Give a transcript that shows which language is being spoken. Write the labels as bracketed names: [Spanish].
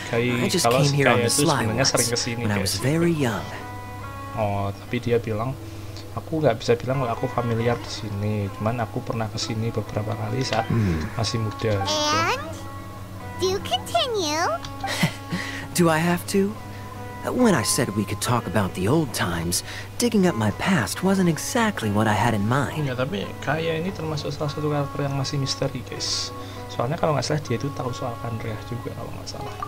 [English] I just came here on the sly once, when I was very young. [Indonesian] Oh, tapi dia bilang, aku nggak bisa bilang kalau aku familiar di sini. Cuman aku pernah ke sini beberapa kali saat masih muda. [English] And? Do continue. Do I have to? When I said we could talk about the old times, digging up my past wasn't exactly what I had in mind. [Indonesian] Ya, tapi kayak ini termasuk salah satu karakter yang masih misteri, guys. Soalnya kalau nggak salah dia itu tahu soal Andreas juga kalau nggak salah.